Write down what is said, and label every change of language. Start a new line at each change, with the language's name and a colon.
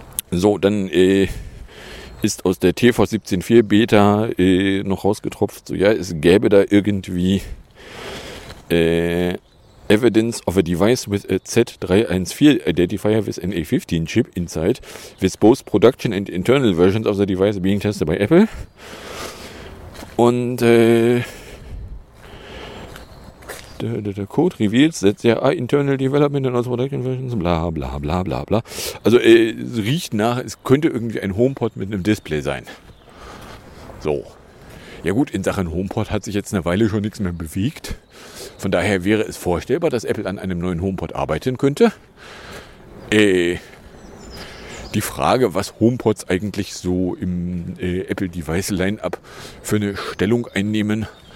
German: So, dann ist aus der TV 17.4 Beta noch rausgetropft. So, ja, es gäbe da irgendwie
English: Evidence of a device with a Z314 identifier with an A15 chip inside, with both production and internal versions of the device being tested by Apple. Und the code reveals that there are internal development and also production versions, bla bla bla bla bla.
German: Also es riecht nach, es könnte irgendwie ein HomePod mit einem Display sein. So. Ja gut, in Sachen HomePod hat sich jetzt eine Weile schon nichts mehr bewegt. Von daher wäre es vorstellbar, dass Apple an einem neuen HomePod arbeiten könnte. Die Frage, was HomePods eigentlich so im Apple-Device-Line-Up für eine Stellung einnehmen.